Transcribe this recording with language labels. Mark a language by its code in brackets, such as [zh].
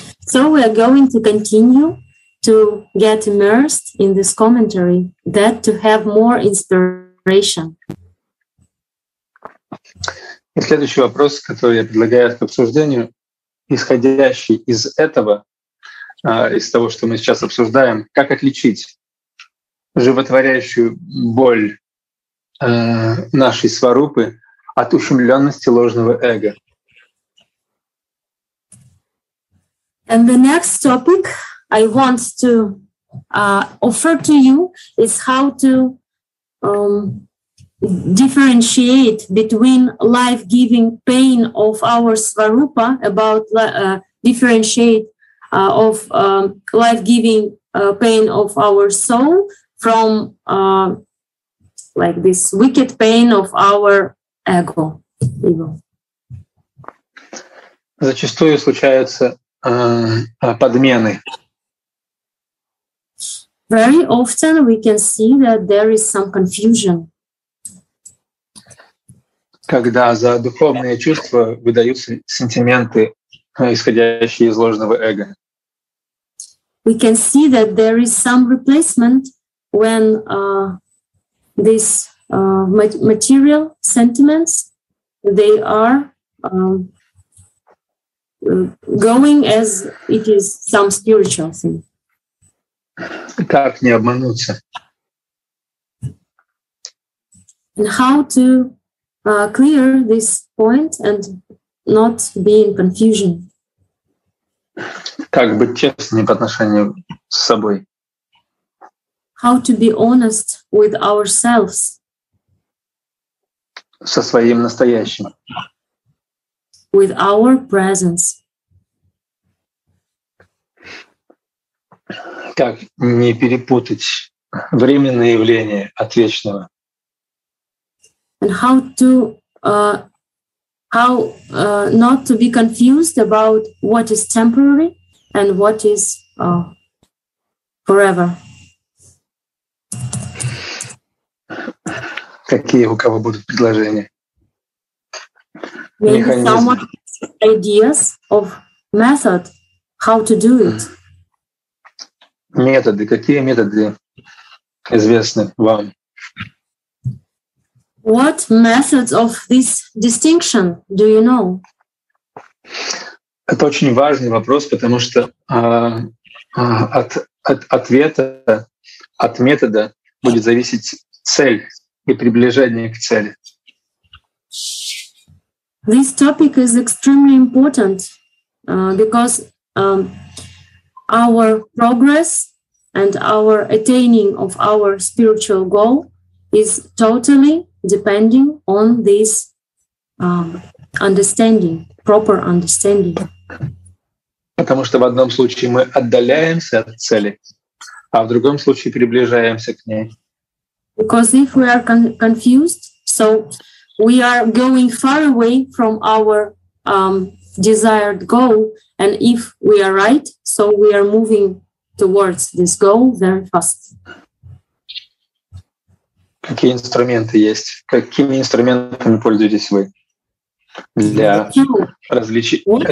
[en] So we are going to continue to get immersed in this commentary, that to have more inspiration. [ru] И следующий вопрос, который я предлагаю к обсуждению, исходящий из этого, из того, что мы сейчас обсуждаем, как отличить животворящую боль нашей сварупы от ущемленности ложного эго. [en] And the next topic I want to offer to you is how to differentiate between life-giving pain of our сварупа about differentiate of life-giving pain of our soul from like this wicked pain of our ego. [ru] Зачастую случаются подмены. [en] Very often we can see that there is some confusion. [ru] Когда за духовные чувства выдаются сентименты, исходящие из ложного эго. [en] We can see that there is some replacement when these material sentiments, they are going as it is some spiritual thing. [ru] Как не обмануться? [en] And how to clear this point and not be in confusion? [ru] Как быть честным по отношению с собой? [en] How to be honest with ourselves? [ru] Со своим настоящим. [en] With our presence. [ru] Как не перепутать временное явление от вечного? [en] And how to not to be confused about what is temporary and what is forever? [ru] Какие у кого будут предложения? [en] Maybe [ru] механизм. [en] Someone has ideas of method, how to do it. [ru] Методы. Какие методы известны вам? [en] What methods of this distinction do you know? [ru] Это очень важный вопрос, потому что от ответа, от метода будет зависеть цель. И приближение к цели. [en] This topic is extremely important because our progress and our attaining of our spiritual goal is totally depending on this understanding, proper understanding. [ru] Потому что в одном случае мы отдаляемся от цели, а в другом случае приближаемся к ней. [en] Because if we are confused, so we are going far away from our desired goal, and if we are right, so we are moving towards this goal very fast. [ru] Какие инструменты есть? Какими инструментами пользуетесь вы для различий?